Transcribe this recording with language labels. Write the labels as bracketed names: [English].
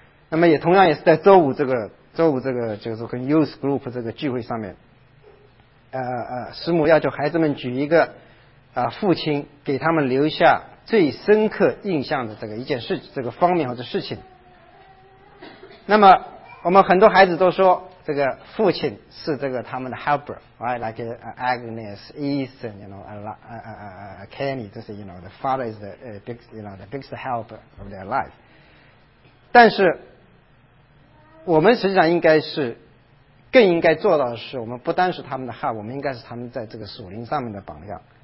[Chinese] 那么也同样也是在周五这个就是跟 Youth Group 这个聚会上面，师母要求孩子们举一个父亲给他们留下最深刻印象的这个一件事，这个方面或者事情。那么我们很多孩子都说这个父亲是这个他们的 helper， right？ [English] Like Agnes, Ethan, you know, Kenny, 这些 you know, the father is the big, you know, the biggest helper of their life。 [Chinese] 但是我们实际上应该是更应该做到的是，我们不单是他们的 help， 我们应该是他们在这个属灵上面的榜样。